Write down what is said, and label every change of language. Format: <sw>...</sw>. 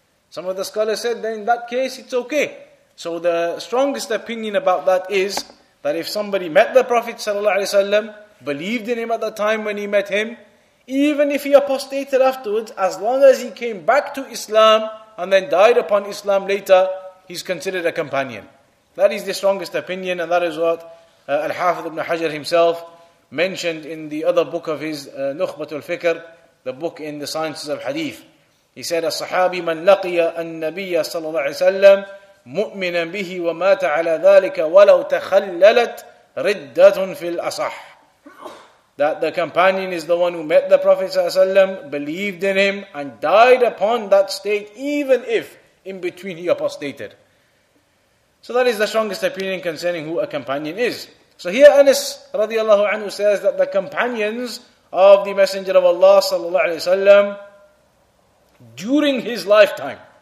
<en>Some of the scholars said, then in that case, it's okay. So the strongest opinion about that is, that if somebody met the Prophet ﷺ, believed in him at the time when he met him, even if he apostated afterwards, as long as he came back to Islam, and then died upon Islam later, he's considered a companion. That is the strongest opinion, and that is what Al-Hafidh ibn Hajar himself mentioned in the other book of his, Nukhbatul Fikr, the book in the Sciences of Hadith.</en> <ar>He said, الصحابي من لقي النبي صلى الله عليه وسلم مؤمنا به ومات على ذلك ولو تخللت ردة في الأصح.</ar> <en>That the companion is the one who met the Prophet</en> <ar>صلى الله عليه وسلم,</ar> <en>believed in him, and died upon that state, even if in between he apostated. So that is the strongest opinion concerning who a companion is. So here Anas</en> <ar>radiallahu anhu</ar> <en>says that the companions of the Messenger of Allah</en> <ar>sallallahu alayhi wasallam</ar> <en>during his lifetime.</en>